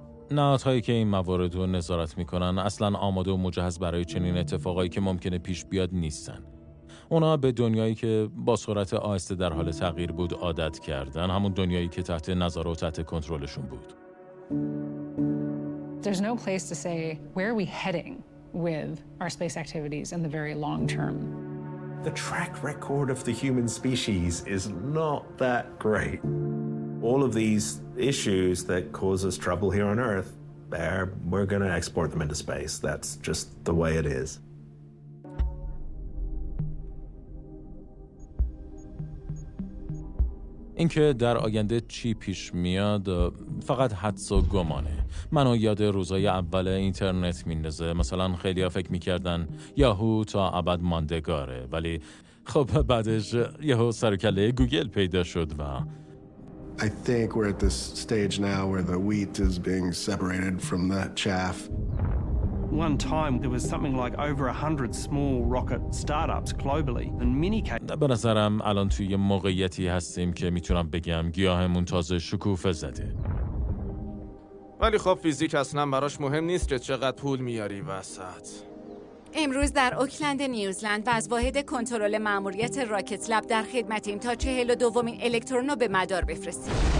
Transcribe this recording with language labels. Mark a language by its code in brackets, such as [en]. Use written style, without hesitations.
[fa] نهادهایی که این موارد رو نظارت میکنن اصلا آماده و مجهز برای چنین اتفاقایی که ممکنه پیش بیاد نیستن. اونا به دنیایی که با سرعت آهسته در حال تغییر بود عادت کردن، همون دنیایی که تحت نظر و تحت کنترلشون بود. [en] There's no place to say where are we heading with our space activities in the very long term. The track record of the human species is not that great. All of these issues that cause us trouble here on Earth, we're going to export them into space. That's just the way it is. [fa] اینکه در آینده چی پیش میاد فقط حدس و گمانه. منو یاد روزای اول اینترنت میندازه. مثلا خیلی ها فکر میکردن یاهو تا ابد ماندگاره، ولی خب بعدش یاهو سر و کله گوگل پیدا شد. و [en] I think we're at this stage now where the wheat is being separated from the chaff. One time there was something like over 100 small rocket startups globally and many [fa] به نظرم الان توی یه موقعیتی هستیم که میتونم بگم گیاهمون تازه شکوفه زده. ولی خب فیزیک اصلا براش مهم نیست که چقدر پول میاری وسط. امروز در اوکلند نیوزلند و از واحد کنترل ماموریت راکت لب در خدمتیم تا 42 الکترون رو به مدار بفرستیم.